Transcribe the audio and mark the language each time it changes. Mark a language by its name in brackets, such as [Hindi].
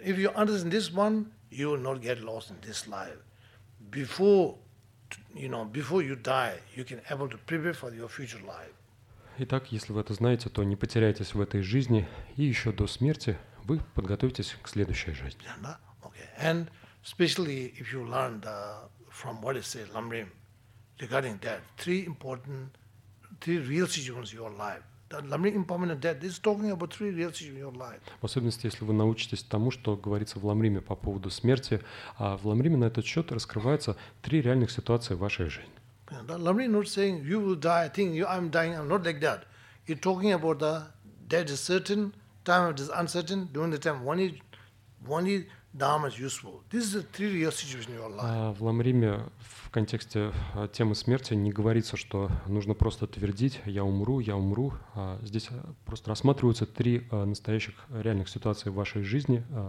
[English] If you understand this one, you will not get lost in this life. Before you die, you can able to prepare for your future life. [Russian] Итак, если вы это знаете, то не потеряйтесь в этой жизни, и еще до смерти вы подготовитесь к следующей жизни. [English] Yeah, no? Okay. And especially if you learn from what it says, Lamrim, regarding that, three real situations in your life. [Russian] В особенности, если вы научитесь тому, что говорится в Ламриме по поводу смерти, а в Ламриме на этот счет раскрываются три реальных ситуации в вашей жизни. [English] Ламрим not saying you will die, think you I'm dying, I'm not like that. You're talking about the death is certain, time of death is uncertain. During the time, only dharma is useful. This is the three real situations in your life. [Russian] В Ламриме в контексте темы смерти не говорится, что нужно просто твердить «я умру». Здесь просто рассматриваются три настоящих реальных ситуации в вашей жизни.